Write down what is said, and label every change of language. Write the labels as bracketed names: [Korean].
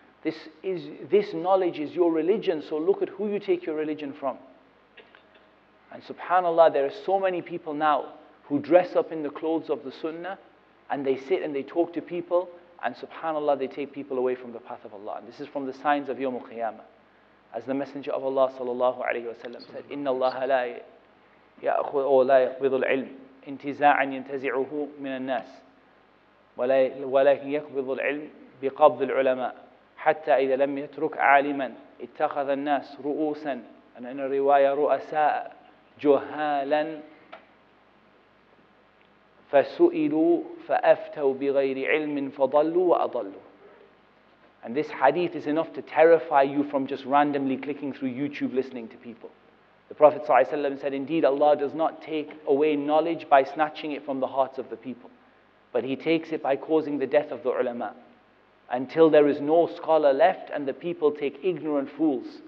[English] This knowledge is your religion, so look at who you take your religion from. And subhanAllah, there are so many people now who dress up in the clothes of the Sunnah, and they sit and they talk to people, and subhanAllah, they take people away from the path of Allah. And this is from the signs of Yawm al-Qiyamah. As the Messenger of Allah sallallahu alayhi wa sallam said, [Arabic] إِنَّ اللَّهَ لَا يَأْخُذُ لَا يَقْبِضُ الْعِلْمِ انْتِزَاعًا يَنْتَزِعُهُ مِنَ النَّاسِ وَلَكِنْ يَقْبِضُ الْعِلْمِ بِقَبْضِ الْعُلَمَاءِ حَتَّى إِذَا لَمْ يَتْرُكْ عَالِمًا اتَّخَذَ النَّاسُ رُؤُوسًا أَنَا إِنَّ الرِّوَايَ رُؤَسَاءَ جُهَالًا فَسُئِلُوا فَأَفْتَوْا بِغَيْرِ عِلْمٍ فَضَلُّوا وَأَضَلُّوا. [English] And this hadith is enough to terrify you from just randomly clicking through YouTube listening to people. The Prophet ﷺ said, indeed Allah does not take away knowledge by snatching it from the hearts of the people, but He takes it by causing the death of the ulama, until there is no scholar left and the people take ignorant fools.